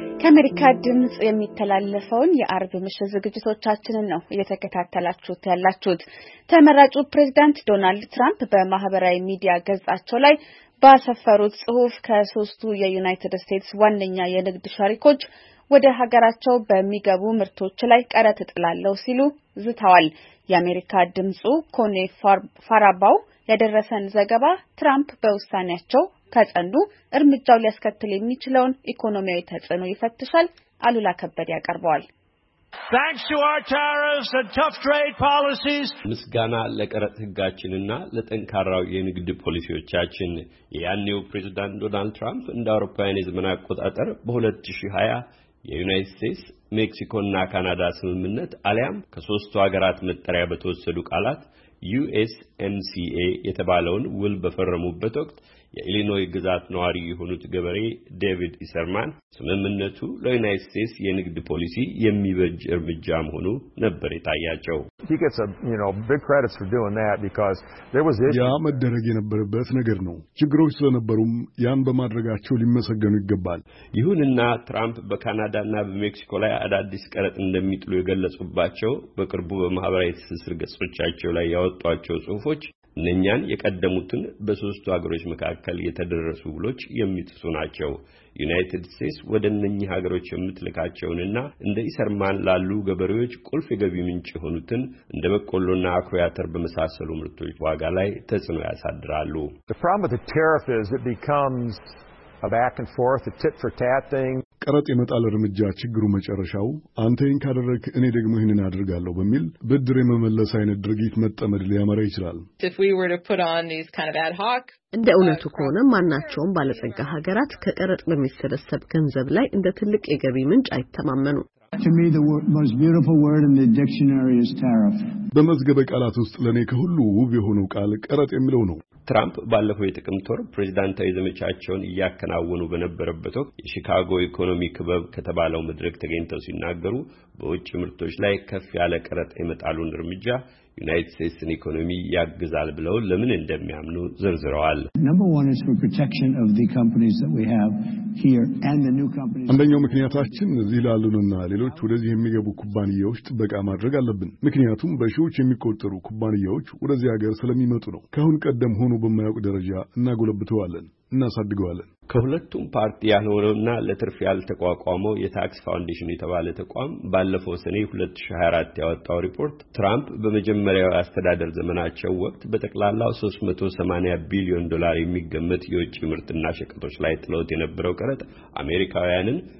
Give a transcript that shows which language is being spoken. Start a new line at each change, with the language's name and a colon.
Amharic: አሜሪካ ድምጽ የሚተላለፈውን የአርብ ምሽት ዝግጅቶቻችንን ነው እየተከታተላችሁት ያላችሁት። ተመራጩ ፕሬዝዳንት ዶናልድ ትራምፕ በማህበራዊ ሚዲያ ገጻቸው ላይ ባሰፈሩት ጽሑፍ ከሶስቱ የዩናይትድ ስቴትስ ዋነኛ የንግድ ሸሪኮች ወደ ሀገራቸው በሚገቡ ምርቶች ላይ ቀረጥ ጥላለው ሲሉ ዝተዋል። የአሜሪካ ድምጹ ኮኔ ፋራባው ያደረሰን ዘገባ ትራምፕ በውሳኔያቸው ከጸኑ እርምጃው ሊያስከትል የሚችለውን ኢኮኖሚያዊ ተጽዕኖ ይፈትሻል። አሉላ ከበደ ያቀርባል።
English: Thanks to our tariffs and tough trade policies.
Amharic: ምስጋና ለቀረጥ ህጋችንና ለጠንካራው የንግድ ፖሊሲዎቻችን። ያኔው ፕሬዝዳንት ዶናልድ ትራምፕ እንደ አውሮፓውያን የዘመን አቆጣጠር በ2020 የዩናይትድ ስቴትስ ሜክሲኮና ካናዳ ስምምነት አሊያም ከሶስቱ ሀገራት መጠሪያ በተወሰዱ ቃላት USMCA የተባለውን ውል በፈረሙበት ወቅት የኢሊኖይ ግዛት ነዋሪ የሆኑት ገበሬ ዴቪድ ኢሰርማን ስምምነቱ ለዩናይትድ ስቴትስ የንግድ ፖሊሲ የሚበጅ እርምጃ መሆኑ ነበር የታያቸው።
English: He gets a, you know, big credits for doing that because there was issue.
Amharic: ያ መደረግ የነበረበት ነገር ነው። ችግሮች ስለነበሩም ያን በማድረጋቸው ሊመሰገኑ ይገባል። ይሁንና ትራምፕ በካናዳና በሜክሲኮ ላይ አዳዲስ ቀረጥ እንደሚጥሉ የገለጹባቸው በቅርቡ በማህበራዊ ትስስር ገጾቻቸው ላይ ያወጧቸው ጽሑፎች ለኛን የቀደሙትን በሶስቱ ሀገሮች መካከል የተደረሱ ውሎች የሚጥሱ ናቸው። ዩናይትድ ስቴትስ ወደ እነኚህ ሀገሮች የምትልካቸውንና እንደ ኢሰርማን ላሉ ገበሬዎች ቁልፍ የገቢ ምንጭ የሆኑትን እንደ በቆሎና አኩሪ አተር በመሳሰሉ ምርቶች ዋጋ ላይ ተጽዕኖ ያሳድራሉ።
English: The problem with the tariff is it becomes a back and forth, a tit for tat thing.
Amharic: ቀረጥ የመጣል እርምጃ ችግሩ መጨረሻው አንተ ይሄን ካደረክ እኔ ደግሞ ይሄንን አድርጋለሁ በሚል ብድር የመመለስ አይነት ድርጊት መጠመድ ሊያመራ ይችላል።
English: If we were to put on these kind of ad hoc
Amharic: እንደ እውነቱ ከሆነ ማናቸውም ባለጸጋ ሀገራት ከቀረጥ በሚሰበሰብ ገንዘብ ላይ እንደ ትልቅ የገቢ ምንጭ አይተማመኑ።
English: To me the most beautiful word in the dictionary is tariff.
Amharic: በመዝገበ ቃላት ውስጥ ለኔ ከሁሉ ውብ የሆነው ቃል ቀረጥ የሚለው ነው። ትራምፕ ባለፈው የጥቅምት ወር ፕሬዝዳንታዊ ዘመቻቸውን ያከናወኑ በነበረበት ወቅት የሺካጎ ኢኮኖሚ ክበብ ከተባለው መድረክ ተገኝተው ሲናገሩ በውጭ ምርቶች ላይ ከፍ ያለ ቀረጥ የመጣሉን እርምጃ ዩናይትድ ስቴትስን ኢኮኖሚ ያግዛል ብለው ለምን እንደሚያምኑ ዝርዝረዋል።
English: Number 1 is for protection of the companies that we have here and the new companies.
Amharic: አንደኛው ምክንያታችን እዚህ ላሉንና ሌሎች ወደዚህ የሚገቡ ኩባንያዎች ጥበቃ ማድረግ አለብን። ምክንያቱም በሺዎች የሚቆጠሩ ኩባንያዎች ወደዚህ ሀገር ስለሚመጡ ነው። ከአሁን ቀደም ሆኖ በማያውቅ ደረጃ እናጎለብተዋለን እናሳድገዋለን። ከሁለቱም ፓርቲ ያልሆነውና ለትርፍ ያልተቋቋመው የታክስ ፋውንዴሽን የተባለ ተቋም ባለፈው ሰኔ 2024 ያወጣው ሪፖርት ትራምፕ በመጀመሪያው አስተዳደር ዘመናቸው ወቅት በጠቅላላው 380 ቢሊዮን ዶላር የሚገመት የውጭ ምርትና ሸቀጦች ላይ ጥለውት የነበረው ቀረጥ አሜሪካውያንን